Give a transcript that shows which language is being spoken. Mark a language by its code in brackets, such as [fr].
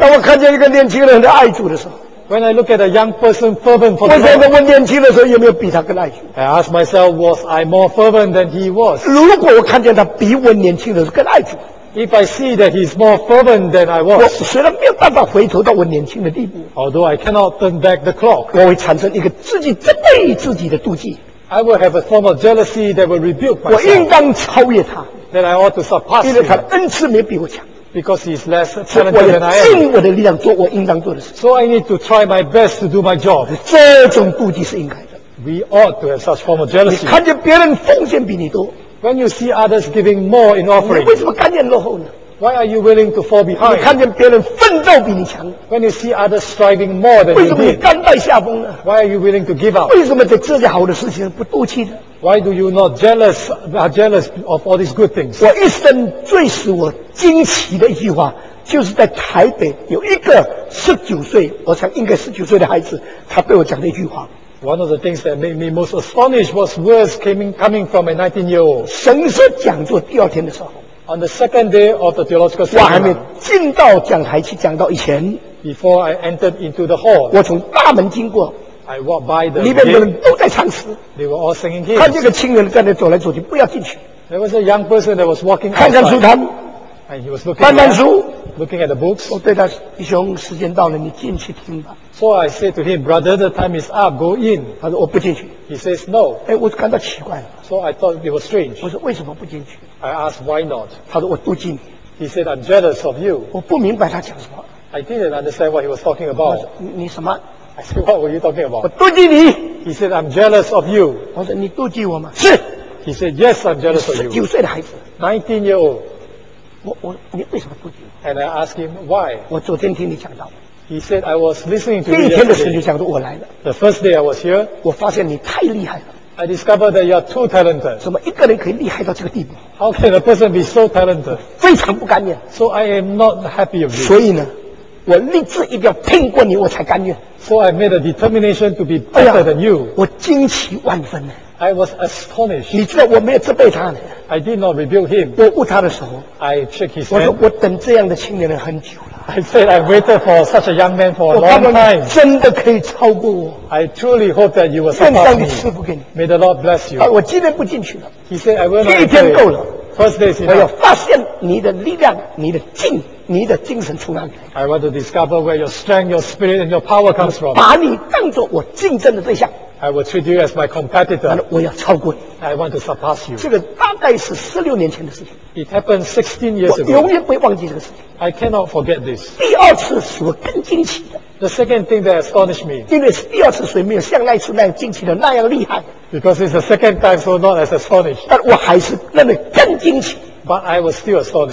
[zh] 当我看见一个年轻人的爱主的时候。 [en] When I look at a young person fervent for the Lord, [zh] 我在问年轻的时候有没有比他更爱主。 [en] I ask myself, was I more fervent than he was? [zh] 如果我看见他比我年轻的时候更爱主。 [en] If I see that he's more fervent than I was, [zh] 我虽然没有办法回头到我年轻的地步 [en] ，although I cannot turn back the clock, [zh] 我会产生一个自己责备自己的妒忌。 [en] I will have a form of jealousy that will rebuke myself. [zh] 我应当超越他 [en] ，that I ought to surpass him. [zh] 因为他的恩赐没比我强 [en] ，because he's less talented than I am. [zh] 我要尽我的力量做我应当做的事。 [en] So I need to try my best to do my job. [zh] 这种妒忌是应该的。 [en] We ought to have such form of jealousy. [zh] 你看见别人奉献比你多。 [en] When you see others giving more in offering, [zh] 你为什么甘愿落后呢？ [en] Why are you willing to fall behind? [zh] 你看见别人奋斗比你强。 [en] When you see others striving more than you did, [zh] 为什么你甘拜下风呢？ [en] Why are you willing to give up? [zh] 为什么对这些好的事情不妒忌呢？ [en] Why do you not jealous of all these good things? [zh] 我一生最使我惊奇的一句话，就是在台北有一个19岁，我想应该19岁的孩子，他对我讲的一句话。 [en] One of the things that made me most astonished was words coming from a 19-year-old. [zh] 神社讲座第二天的时候 [en] On the second day of the theological seminar, [zh] 我还没进到讲台去讲道以前 [en] Before I entered into the hall, [zh] 我从大门经过 [en] I walked by the [zh] 里面的人都在唱诗 [en] They were all singing hymns. [zh] 看这个青年在那走来走去不要进去 [en] There was a young person that was walking outside. [zh] 看看书摊 [en] And he was looking at it. Looking at the books. [zh] 我对他弟兄时间到了你进去听吧 [en] So I said to him, brother, the time is up, go in. [zh] 他说我不进去。 [en] He says, no. [zh] 哎，我感到奇怪。 [en] So I thought it was strange. [zh] 我说为什么不进去？ [en] I asked, why not? [zh] 他说我妒忌你。 [en] He said, I'm jealous of you. [zh] 我不明白他讲什么。 [en] I didn't understand what he was talking about. [zh] 你什么？ [en] I said, what were you talking about? [zh] 我妒忌你。 [en] He said, I'm jealous of you. [zh] 我说你妒忌我吗？是。 [en] He said, yes, I'm jealous of you. [zh] 19岁的孩子。 [en] 19-year-old. [zh] 我你为什么妒忌我？ [en] And I asked him, why? [zh] 我昨天听你讲到。 [en] He said, I was listening to you. [zh] 第一天的时候就讲到我来了。 [en] The first day I was here, [zh] 我发现你太厉害了。 [en] I discovered that you are too talented. [zh] 怎么一个人可以厉害到这个地步？ [en] How can a person be so talented? [zh] 非常不甘愿。 [en] So I am not happy of you. [zh] 所以呢，我立志一定要拼过你，我才甘愿。 [en] So I made a determination to be better than you. [zh] 我惊奇万分。 [en] I was astonished. [zh] 你知道我没有责备他呢。 [en] I did not rebuke him. [zh] 我问他的时候 [en] ，I check his hand. [zh] 我说我等这样的青年人很久了。 [en] I said I waited for such a young man for a long time. [zh] 我盼望真的可以超过我。 [en] I truly hope that you will surpass me. [zh] 愿上帝赐福给你。 [en] May the Lord bless you. [zh] 啊，我今天不进去了。 [en] He said I will not. [zh] 第一天够了。 [en] First day is enough. [zh] 我要发现你的力量，你的劲，你的精神从哪里来。 [en] I want to discover where your strength, your spirit, and your power comes from. [zh] 把你当作我竞争的对象。 [en] I will treat you as my competitor. [zh] 我要超过你。 [en] I want to surpass you. [zh] 这个大概是16年前的事情。 [en] It happened 16 years ago. [zh] 我永远不会忘记这个事情。 [en] I cannot forget this. [zh] 第二次使我更惊奇的。 [en] The second thing that astonished me. [zh] 因为是第二次，所以没有像那一次那样惊奇的那样厉害。 [en] Because it's the second time, so not as astonished. [zh] 但我还是那么更惊奇。 [en] But I was still astonished.